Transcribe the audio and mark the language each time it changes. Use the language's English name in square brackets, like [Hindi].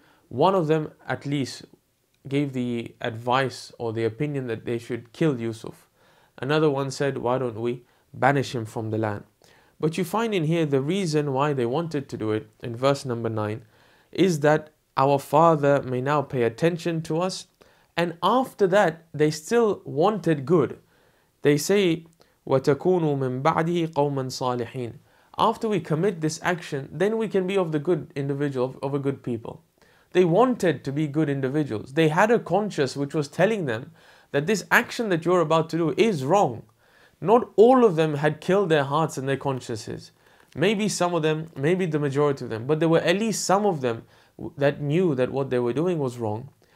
[English] One of them, at least, gave the advice or the opinion that they should kill Yusuf. Another one said, why don't we banish him from the land? But you find in here the reason why they wanted to do it, in verse number 9, is that our father may now pay attention to us. And after that, they still wanted good. They say, [Arabic] وَتَكُونُوا مِن بَعْدِهِ قَوْمًا صَالِحِينَ. [English] After we commit this action, then we can be of the good individual, of a good people. They wanted to be good individuals. They had a conscience which was telling them that this action that you're about to do is wrong. Not all of them had killed their hearts and their consciences. Maybe some of them, maybe the majority of them, but there were at least some of them that knew that what they were doing was wrong.